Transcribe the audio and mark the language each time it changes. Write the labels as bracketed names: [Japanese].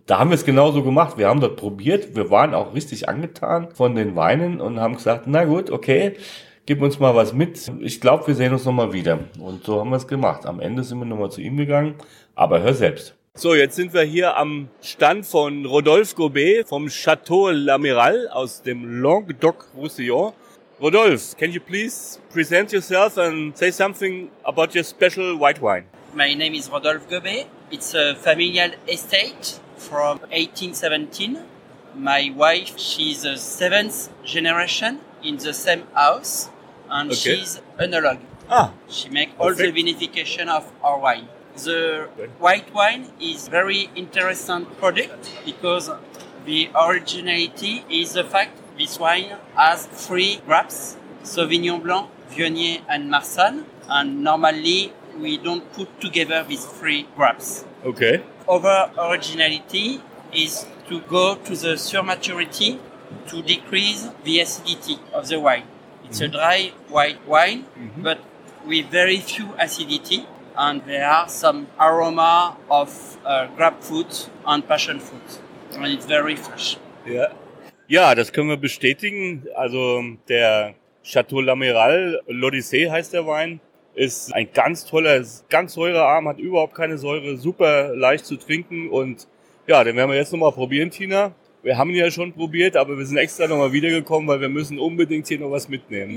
[German] Da haben wir es genauso gemacht. Wir haben dort probiert. Wir waren auch richtig angetan von den Weinen und haben gesagt, na gut, okay, gib uns mal was mit. Ich glaube, wir sehen uns nochmal wieder. Und so haben wir es gemacht. Am Ende sind wir nochmal zu ihm gegangen. Aber hör selbst. So, jetzt sind wir hier am Stand von Rodolphe Gobet vom Château L'Amiral aus dem Languedoc-Roussillon. [English] Rodolphe, can you please present yourself and say something about your special white wine? My name is Rodolphe Gobet. It's a familial estate from 1817. My wife, she's a seventh generation in the same house, and okay. She's analog. Ah, she makes all the vinification of our wine. The white wine is very interesting product because the originality is the fact this wine has 3 grapes Sauvignon Blanc, Viognier, and Marsanne. And normally, we don't put together these three grapes. Okay. Our originality is to go to the surmaturity to decrease the acidity of the wine. It's mm-hmm. a dry white wine, mm-hmm. but with very few acidity, and there are some aroma of grapefruit and passion fruit, and it's very fresh. Yeah. [German] Ja, das können wir bestätigen. Also der Chateau L'Amiral, L'Odyssée heißt der Wein, ist ein ganz toller, ganz säurearm, hat überhaupt keine Säure, super leicht zu trinken. Und ja, den werden wir jetzt nochmal probieren, Tina. Wir haben ihn ja schon probiert, aber wir sind extra nochmal wiedergekommen, weil wir müssen unbedingt hier noch was mitnehmen.